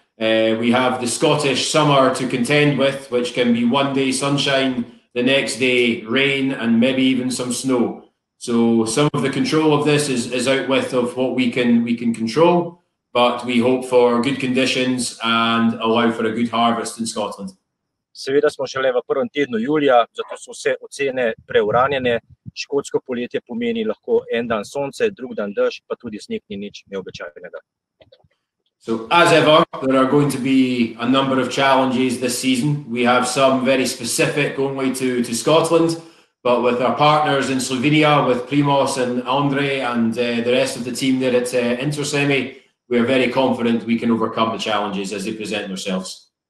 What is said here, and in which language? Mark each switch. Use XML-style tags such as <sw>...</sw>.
<en>We have the Scottish summer to contend with, which can be one day sunshine, the next day rain and maybe even some snow. So some of the control of this is out with of what we can control. But we hope for good conditions and allow for a good harvest in Scotland.</en> <sl>Seveda smo šele v prvem tednu julija, zato so vse ocene preuranjene. Škotsko poletje pomeni lahko en dan sonce, drug dan dež, pa tudi sneg ni nič neobičajnega.</sl> <en>So as ever, there are going to be a number of challenges this season. We have some very specific only to Scotland, but with our partners in Slovenia, with Primoz and Andre and the rest of the team there at InterSemi, we are very confident we can overcome the challenges as they present themselves.</en>